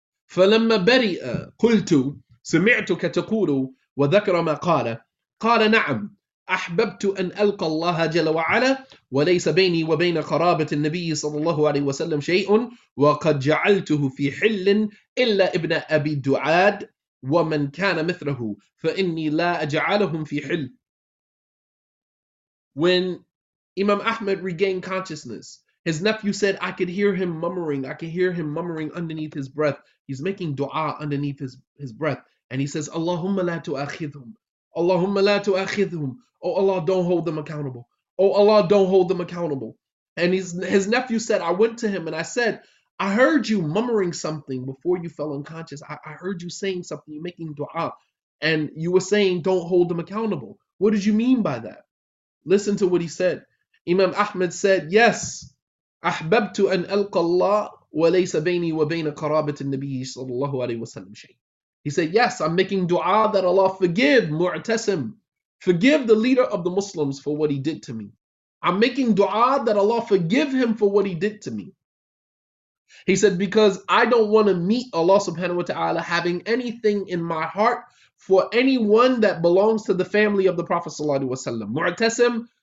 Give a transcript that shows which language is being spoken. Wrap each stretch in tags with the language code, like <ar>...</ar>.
<ar>فلما برئ قلت سمعتك تقول وذكر ما قال قال نعم أحببت أن ألقى الله جل وعلا وليس بيني وبين قرابة النبي صلى الله عليه وسلم شيء وقد جعلته في حل إلا ابن أبي دعاد ومن كان مثله فإني لا أجعلهم في حل.</ar> <en>When Imam Ahmed regained consciousness, his nephew said, I could hear him murmuring. I could hear him murmuring underneath his breath. He's making dua underneath his breath. And he says,</en> <ar>Allahumma la tu'akhidhum. Allahumma la tu'akhidhum.</ar> <en>Oh Allah, don't hold them accountable. Oh Allah, don't hold them accountable. And his nephew said, I went to him and I said, I heard you murmuring something before you fell unconscious. I heard you saying something, you're making dua. And you were saying, don't hold them accountable. What did you mean by that? Listen to what he said. Imam Ahmed said, yes.</en> <ar>أحببت أن ألقى الله وليس بيني وبين قرابة النبي صلى الله عليه وسلم شيء.</ar> <en>He said, yes, I'm making dua that Allah forgive Mu'tasim. Forgive the leader of the Muslims for what he did to me. I'm making dua that Allah forgive him for what he did to me. He said, because I don't want to meet Allah subhanahu wa ta'ala having anything in my heart for anyone that belongs to the family of the Prophet sallallahu alayhi wa sallam.</en>